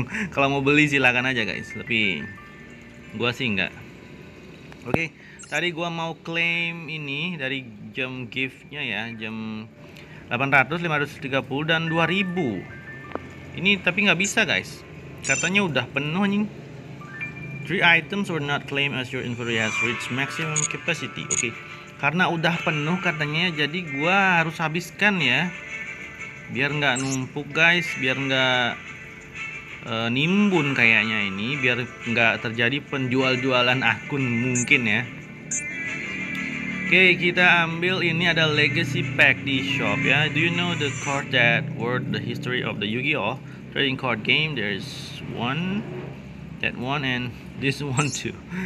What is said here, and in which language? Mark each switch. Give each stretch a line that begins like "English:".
Indonesian: Kalau mau beli silakan aja guys, tapi gue sih enggak. Oke. Tadi gua mau klaim ini dari jam giftnya ya, jam 800, 530 dan 2000. Ini tapi nggak bisa guys, katanya udah penuh nih.
English: 3 items were not claimed as your inventory has reached maximum capacity.
Indonesian: Oke, karena udah penuh katanya, jadi gua harus habiskan ya, biar nggak numpuk guys, biar nggak nimbun kayaknya ini, biar nggak terjadi penjual-jualan akun mungkin ya. Oke, kita ambil ini ada legacy pack di shop ya.
English: Do you know the card that wrote the history of the Yu-Gi-Oh trading card game? There's one that one and this one too.